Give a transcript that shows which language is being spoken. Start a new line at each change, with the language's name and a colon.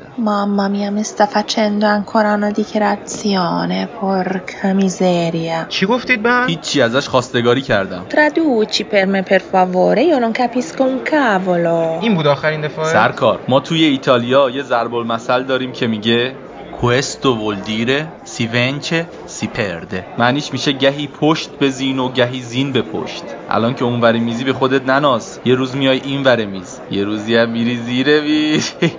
Italian: Mamma mia, mi sta facendo ancora una dichiarazione. Porca miseria.
Persian: Ci گفتید به من؟ هیچی ازش خواستگاری کردم.
Italian: Traduci per me per favore. Io non capisco un cavolo.
Persian: این بود آخرین دفعه. سرکار، ما توی ایتالیا یه ضرب المثل داریم که میگه
Italian: questo vuol dire si vince si perde.
Persian: معنیش میشه گهی پشت به زین و گهی زین به پشت. الان که اون ور میزی به خودت نناس، یه روز میای این ور میز، یه روزی هم میری زیر میز.